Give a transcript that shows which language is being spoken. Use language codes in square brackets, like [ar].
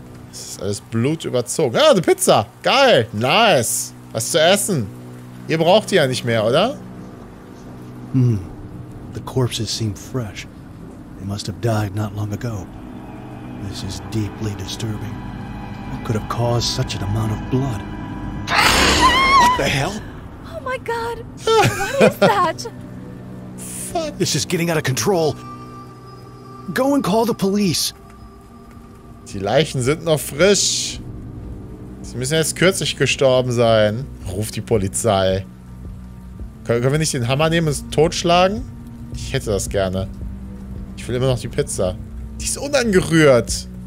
[de] Das ist alles blutüberzogen. Ah, eine Pizza. Geil. Nice. Was zu essen. Ihr braucht die ja nicht mehr, oder? [en] The corpses seem fresh. They must have died not long ago. This is deeply disturbing. What could have caused such an amount of blood? What the hell? Oh my God! What is that? Fuck! This is getting out of control. Go and call the police. [de] Die Leichen sind noch frisch. Sie müssen jetzt kürzlich gestorben sein. Ruf die Polizei. Können wir nicht den Hammer nehmen und es totschlagen? Ich hätte das gerne. Ich will immer noch die Pizza. Die ist unangerührt.